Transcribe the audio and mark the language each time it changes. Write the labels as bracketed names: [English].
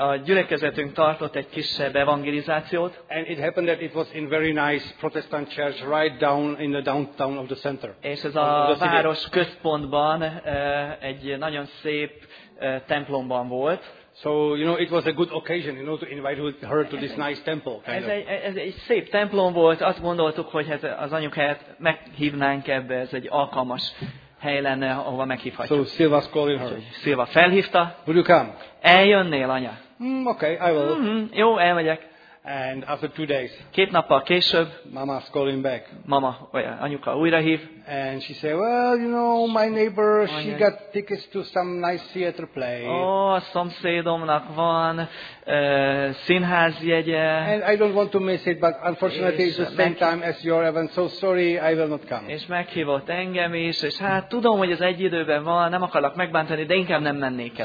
[Hungarian] A gyülekezetünk tartott egy kisebb evangelizációt. [English] And it happened that it was in very nice Protestant church right down in the downtown of the center. [Hungarian] És ez a város központban egy nagyon szép templomban volt. [English] So you know it was a good occasion, you know, to invite her to this nice temple. [Hungarian] Ez egy szép templom volt. Azt gondoltuk, hogy hát az anyukáját meghívnánk ebbe, ez egy alkalmas hely lenne, ahova meghívhatjuk. [English] So Silva's calling her. [Hungarian] Silva felhívta. [English] Would you come? [Hungarian] Eljönnél, anya? [English] Okay, I will. [Hungarian] Mm-hmm, jó, elmegyek. [English] And after 2 days. [Hungarian] Két nappal később. [English] Mama's calling back. [Hungarian] Mama, vagy anyuka újra hív. [English] And she said, well, you know, my neighbor, she got tickets to some nice theater play. [Hungarian] Oh, a szomszédomnak van színházi jegye. [English] And I don't want to miss it, but unfortunately it's the same time as your event, so sorry, I will not come. [Hungarian] És meghívott engem is, és hát tudom, hogy ez egy időben van, nem akarlak megbántani, de inkább nem mennék el.